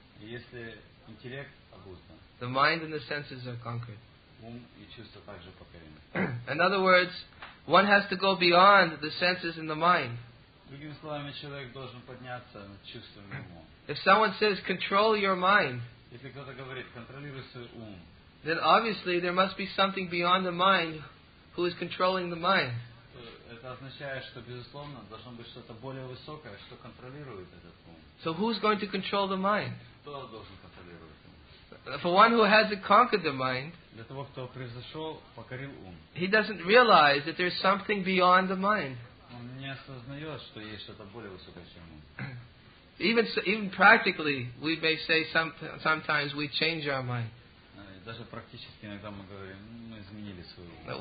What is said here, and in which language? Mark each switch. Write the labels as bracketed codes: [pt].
[ru] если интеллект обуздан, [en] the mind and the senses are conquered. [ru] Ум и чувства также покорены. [en] In other words, one has to go beyond the senses and the mind. [ru] Другими словами, человек должен подняться над чувствами ума. [en] If someone says, control your mind, [ru] если кто-то говорит, контролируй свой ум, [en] then obviously there must be something beyond the mind who is controlling the mind. [ru] это означает, что безусловно должно быть что-то более высокое, что контролирует этот ум. [en] So who's going to control the mind? [ru] Кто должен контролировать? [en] For one who hasn't conquered the mind, [ru] для того, кто превзошел, покорил ум, [en] he doesn't realize that there's something beyond the mind. [ru] Он не осознает, что есть что-то более высокое, чем ум. [en] Even practically, we may say sometimes we change our mind. [ru] Даже практически иногда мы говорим, мы изменили свой ум.